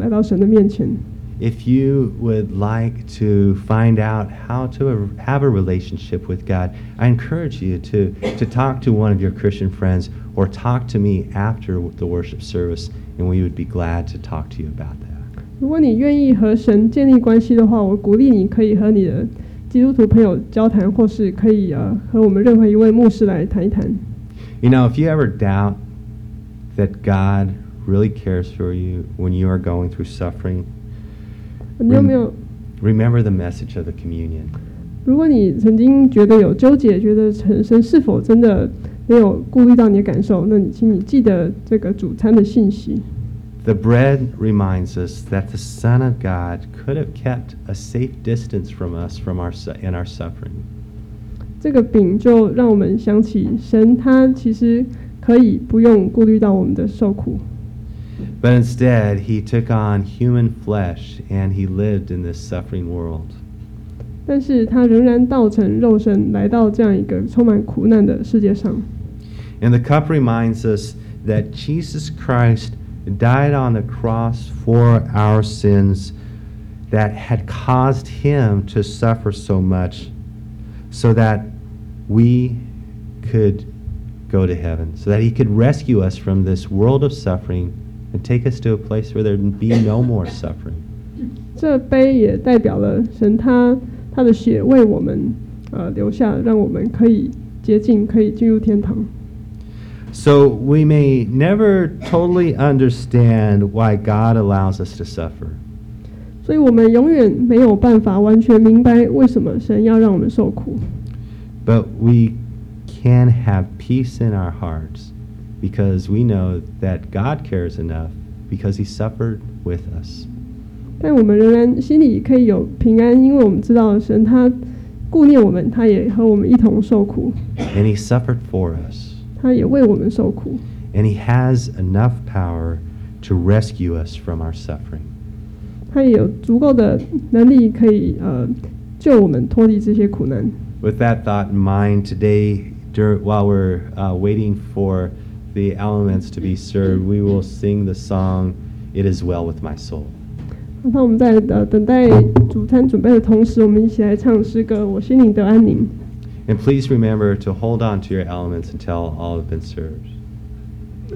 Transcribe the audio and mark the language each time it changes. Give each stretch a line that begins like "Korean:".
English: If you would like to find out how to have a relationship with God, I encourage you to talk to one of your Christian friendsOr talk to me after the worship service, and we would be glad to talk to you about that.
Chinese: 如果你愿意和神建立关系的话，我鼓励你可以和你的基督徒朋友交谈，或是可以和我们任何一位牧师来谈一谈。
English: You know, if you ever doubt that God really cares for you when you are going through suffering,
Chinese: 你有没有
English: remember the message of the communion?
Chinese: 如果你曾经觉得有纠结，觉得神是否真的没有顾虑到你的感受，那你请你记得这个主餐的信息。
English: The bread reminds us that the Son of God could have kept a safe distance from us in our suffering.
Chinese: 这个饼就让我们想起神他其实可以不用顾虑到我们的受苦。
English: But instead, he took on human flesh and he lived in this suffering world.
Chinese: 但是他仍然道成肉身来到这样一个充满苦难的世界上。
English: And the cup reminds us that Jesus Christ died on the cross for our sins that had caused him to suffer so much so that we could go to heaven, so that he could rescue us from this world of suffering and take us to a place where there'd be no more suffering.
Chinese: 这杯也代表了神他的血为我们留下，让我们可以洁净，可以进入天堂。
English: So we may never totally understand why God allows us to suffer.
Chinese: 所以我们永远没有办法完全明白为什么神要让我们受苦。
English: But we can have peace in our hearts because we know that God cares enough because he suffered with us.
Chinese: 但我们仍然心里可以有平安，因为我们知道神他顾念我们，他也和我们一同受苦。
English: And he suffered for us.
Chinese: 他也为我们受苦。
English: And he has enough power to rescue us from our suffering.
Chinese: 他也有足够的能力可以救我们脱离这些苦难。
English: With that thought in mind, today, while we're waiting for the elements to be served, we will sing the song, It Is Well With My Soul.
Chinese: 那我们在等待主餐准备的同时，我们一起来唱诗歌，我心里得安宁。
English: And please remember to hold on to your elements until all have been served.